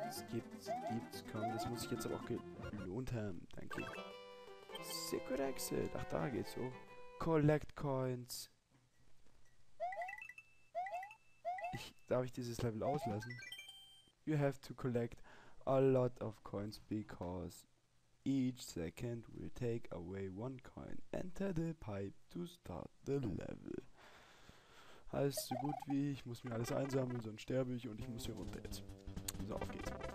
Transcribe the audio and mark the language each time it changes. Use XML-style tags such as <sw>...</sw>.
<de>Gibt's, komm, das muss ich jetzt aber auch gelohnt haben, danke.</de> <en>Secret Exit,</en> <de>ach da geht's so.</de> <en>Collect Coins.</en> <de>Darf ich dieses Level auslassen?</de> <en>You have to collect a lot of coins because each second will take away one coin. Enter the pipe to start the level.</en> <de>Alles so gut wie ich muss mir alles einsammeln, sonst sterbe ich und ich muss hier runter jetzt. So, auf geht's.</de>